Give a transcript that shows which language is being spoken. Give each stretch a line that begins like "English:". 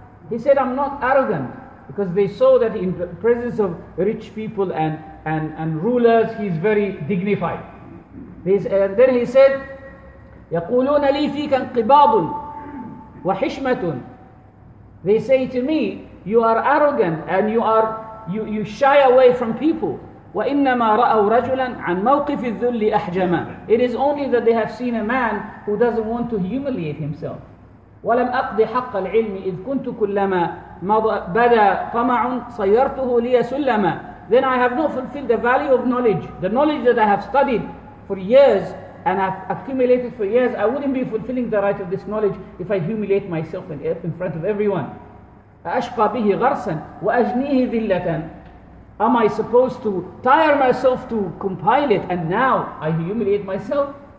English: He said, I'm not arrogant, because they saw that in presence of rich people and rulers, he's very dignified. Then he said,
Arabic: يقولون لي فيك انقباض وحشمة.
English: They say to me, you are arrogant and you shy away from people.
Arabic: وإنما رأوا رجلا عن موقف الذل أحجما.
English: It is only that they have seen a man who doesn't want to humiliate himself.
Arabic: ولم أقضي حق العلم إذ كنت كلما بدا طمع صيرته لي سلما.
English: Then I have not fulfilled the value of knowledge. The knowledge that I have studied for years and I've accumulated for years, I wouldn't be fulfilling the right of this knowledge if I humiliate myself in front of everyone.
Arabic: أَشْقَى بِهِ غَرْسًا وَأَجْنِيهِ ذِلَّةً.
English: Am I supposed to tire myself to compile it and now I humiliate myself?